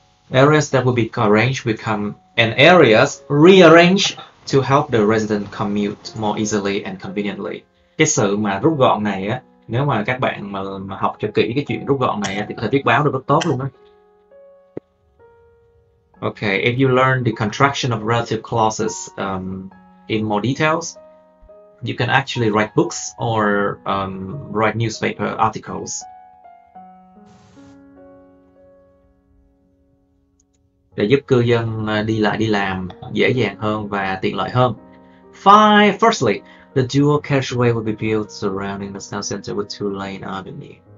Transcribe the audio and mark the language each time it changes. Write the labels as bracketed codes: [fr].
[en] Areas that will be arranged become and areas rearrange to help the resident commute more easily and conveniently. [vi] Cái sự mà rút gọn này á, nếu mà các bạn mà học cho kỹ cái chuyện rút gọn này á, thì có thể viết báo được rất tốt luôn á. [en] Okay, if you learn the contraction of relative clauses in more details, you can actually write books or write newspaper articles. [vi] Để giúp cư dân đi lại đi làm dễ dàng hơn và tiện lợi hơn. [en] Fine, firstly, the dual carriageway will be built surrounding the town center with two lane avenue.